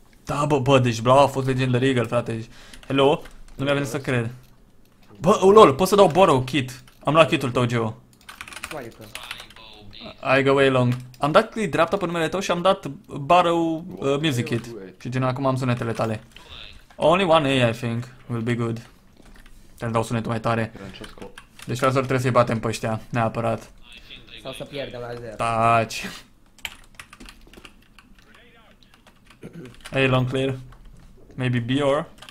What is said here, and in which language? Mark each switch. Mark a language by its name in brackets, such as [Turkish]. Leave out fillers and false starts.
[Romanian] Da, bă, deci Blau a fost Legendary Eagle, frate. Hello? Nu mi-a venit să cred. Bă, lol, pot să dau borrow kit. Am luat kitul tău, Geo. [English] I go way long. [Romanian] Am dat click dreapta pe numele tău și am dat borrow music kit. Și gen, acum am sunetele tale. [English] Only one A, I think, will be good. [Romanian] Te-am dau sunetul mai tare. Deci, fraților, trebuie să-i batem pe ăștia, neapărat. Sau să pierdem la 0. Taci. [English] Hey, long clear. Maybe B or...